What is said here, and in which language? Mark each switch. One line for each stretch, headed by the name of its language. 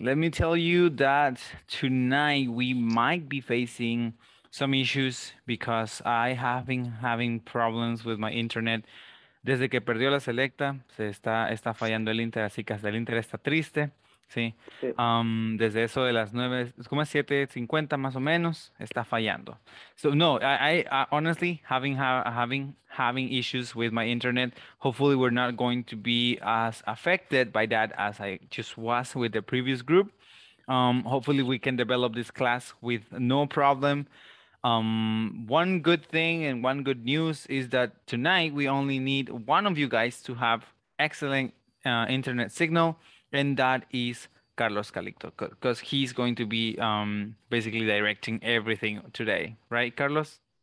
English: Let me tell you that tonight we might be facing some issues because I have been having problems with my internet.
Spanish: Desde que perdió la selecta, se está fallando el internet, así que hasta el internet está triste. Sí. Desde eso de las 9, es como 7:50 más o menos, está fallando.
English: So no, I honestly having issues with my internet. Hopefully we're not going to be as affected by that as I just was with the previous group. Hopefully we can develop this class with no problem. One good thing and one good news is that tonight we only need one of you guys to have excellent internet signal, and that is Carlos Calicto, because he's going to be basically directing everything today, right, Carlos?